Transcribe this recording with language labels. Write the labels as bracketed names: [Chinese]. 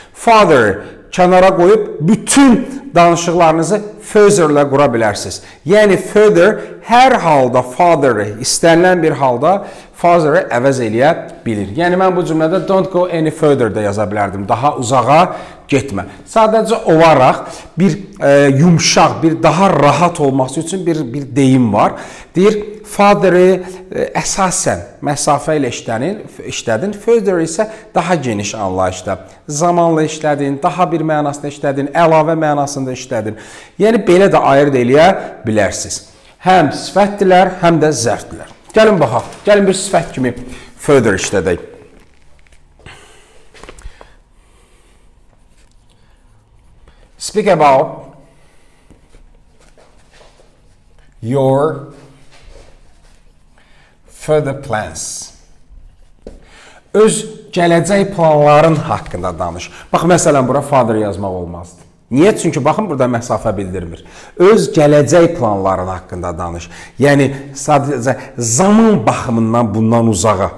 [Azerbaijani] Father kənara qoyub bütün danışıqlarınızı further-lə qura bilərsiniz. Yəni, further hər halda father-ı istənilən bir halda father-ı əvəz eləyə bilir. Yəni, mən bu cümlədə [English] don't go any further- [Azerbaijani] də yaza bilərdim. Daha uzağa getmə. Sadəcə olaraq bir yumşaq, bir daha rahat olması üçün bir deyim var. Deyir, father-ı əsasən məsafə ilə işlədin, further isə daha geniş anlayışda. Zamanla işlədin, daha bir mənasında işlədin, əlavə mənasında işlədin. Yəni, belə də ayırt eləyə bilərsiniz. Həm sifətdilər, həm də zərfdilər. Gəlin baxaq, gəlin bir sifət kimi further işlədək. [English] Speak about your further plans. [Azerbaijani] Öz gələcək planların haqqında danış. Bax, məsələn, bura father yazmaq olmazdı. Niyə? Çünki, baxın, burada məsafə bildirmir. Öz gələcək planların haqqında danış. Yəni, sadəcə zaman baxımından bundan uzağa.